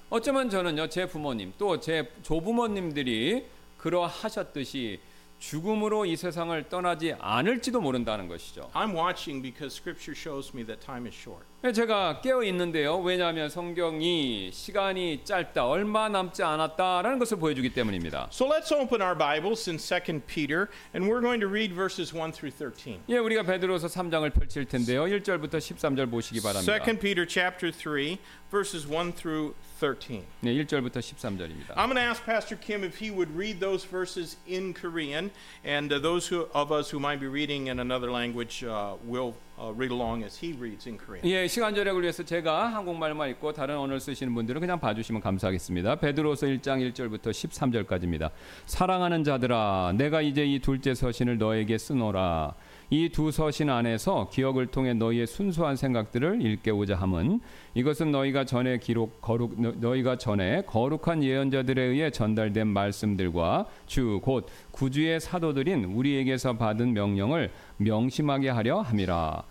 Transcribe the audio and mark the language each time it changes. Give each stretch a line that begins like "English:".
Korean: 어쩌면 저는요, 제 부모님 또 제 조부모님들이 그러하셨듯이 죽음으로 이 세상을 떠나지 않을지도 모른다는 것이죠.
English: I'm watching because scripture shows me that time is short.
Korean: 제가 깨어 있는데요. 왜냐하면 성경이 시간이 짧다, 얼마 남지 않았다라는 것을 보여주기 때문입니다.
English: So let's open our Bibles in 2 Peter, and we're going to read verses 1 through 13.
Korean: 예, 우리가 베드로서 3장을 펼칠 텐데요. 1절부터 13절 보시기 바랍니다.
English: 2 Peter chapter 3, verses 1 through 13.
Korean: 네, 1절부터 13절입니다.
English: I'm going to ask Pastor Kim if he would read those verses in Korean, and those who, of us who might be reading in another language will. Read along as he reads in Korean.
Korean: 예, 시간 절약을 위해서 제가 한국말만 읽고 다른 언어 쓰시는 분들은 그냥 봐주시면 감사하겠습니다. 베드로서 1장 1절부터 13절까지입니다. 사랑하는 자들아, 내가 이제 이 둘째 서신을 너에게 쓰노라. 이 두 서신 안에서 기억을 통해 너희의 순수한 생각들을 일깨우자 함은 이것은 너희가 전에 기록 거룩 너희가 전에 거룩한 예언자들에 의해 전달된 말씀들과 주 곧 구주의 사도들인 우리에게서 받은 명령을 명심하게 하려 함이라.